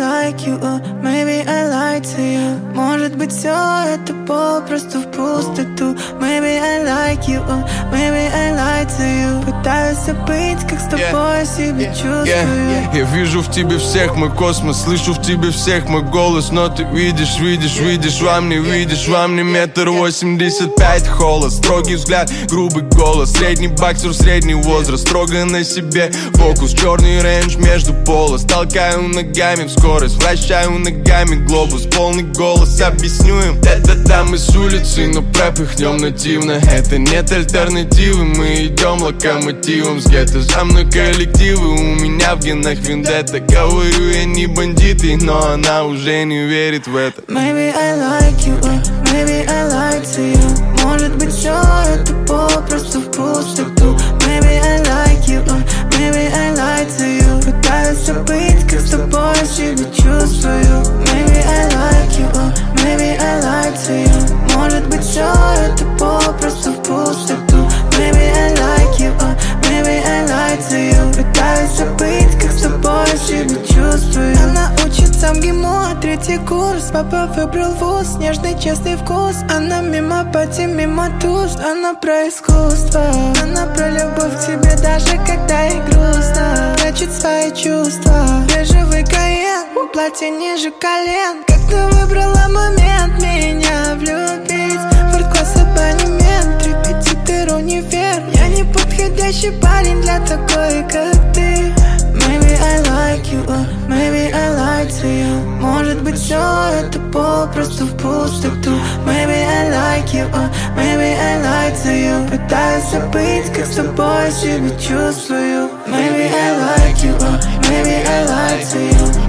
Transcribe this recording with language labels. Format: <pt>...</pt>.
<en>like you, maybe I lied to you.</en> <ru>Может быть, все это попросту в пустоту.</ru> <en>Maybe I like you, maybe I lied to you.</en> <ru>Пытаюсь забыть, как с тобой себя чувствую. Я вижу в тебе всех, мой космос. Слышу в тебе всех, мой голос. Но ты видишь, видишь, видишь, во мне видишь. Во мне 1.85 м, холост. Строгий взгляд, грубый голос. Средний боксер, средний возраст. Строго на себе фокус. Черный рейндж между полос. Толкаю ногами в скорость. Вращаю ногами глобус. Полный голос, объясню им. Это там из улицы, но пропихнем нативно. Это нет альтернативы. Мы идем локомотивом с гетто. За мной коллективы, у меня в генах вендетта. Говорю, я не бандиты, но она уже не верит в это.</ru> <en>Maybe I like you, maybe I lied to you.</en> <ru>Может быть, все это попросту в пустоту.</ru> <en>Maybe I like you, maybe I lied to you.</en> <ru>Пытаюсь забыть, как с тобой себя чувствую.</ru> <en>Maybe I like you, maybe I lied to you.</en> <ru>Может быть, все это попросту в пустоту.</ru> <en>Maybe I like you, maybe I lied to you.</en> <ru>Пытаюсь забыть, как с тобой себя чувствую. Она учится в ГИМО, третий курс. Папа выбрал вуз, нежный, честный вкус. Она мимо пати, мимо туз. Она про искусство. Она про любовь к тебе, даже когда ей грустно. Прячет свои чувства. Бежевый Каен, платье ниже колен. Как ты выбрала момент меня влюбить? Форт-класс, абонемент, репетитор, универ. Я не подходящий парень для такой, как ты.</ru> <en>Maybe I like you, maybe I lied to you.</en> <ru>Может быть, все это попросту в пустоту.</ru> <en>Maybe I like you, maybe I lied to you.</en> <ru>Пытаюсь забыть, как с тобой себя чувствую.</ru> <en>Maybe I like you, maybe I lied to you.</en>